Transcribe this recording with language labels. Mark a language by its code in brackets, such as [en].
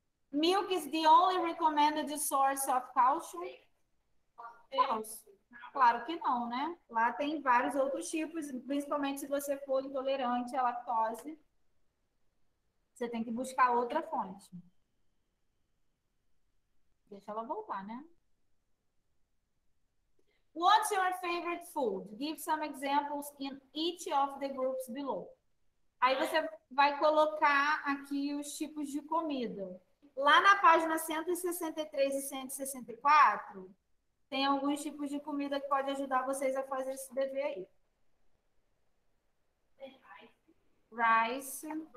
[en] Milk is the only recommended source of calcium? [pt] Claro que não, né? Lá tem vários outros tipos, principalmente se você for intolerante à lactose. Você tem que buscar outra fonte. Deixa ela voltar, né? [en] What's your favorite food? Give some examples in each of the groups below. [pt] Aí você vai colocar aqui os tipos de comida. Lá na página 163 e 164, tem alguns tipos de comida que pode ajudar vocês a fazer esse dever aí. [en] Rice.